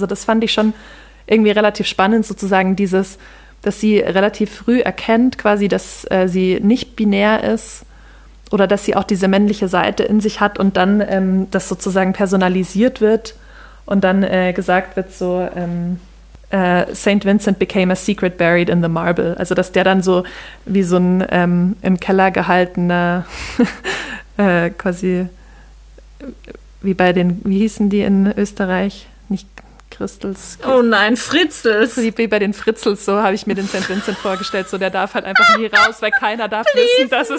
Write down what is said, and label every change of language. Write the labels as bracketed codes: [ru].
[de] Also das fand ich schon irgendwie relativ spannend, sozusagen dieses, dass sie relativ früh erkennt quasi, dass sie nicht binär ist oder dass sie auch diese männliche Seite in sich hat und dann das sozusagen personalisiert wird und dann gesagt wird so, St. [en] Vincent became a secret buried in the marble. [de] Also dass der dann so wie so ein im Keller gehaltener quasi wie bei den, wie hießen die in Österreich? Nicht Christels. Oh nein, Fritzels. Wie bei den Fritzels, so habe ich mir den St. Vincent vorgestellt. So, der darf halt einfach nie raus, weil keiner darf Please wissen, dass not.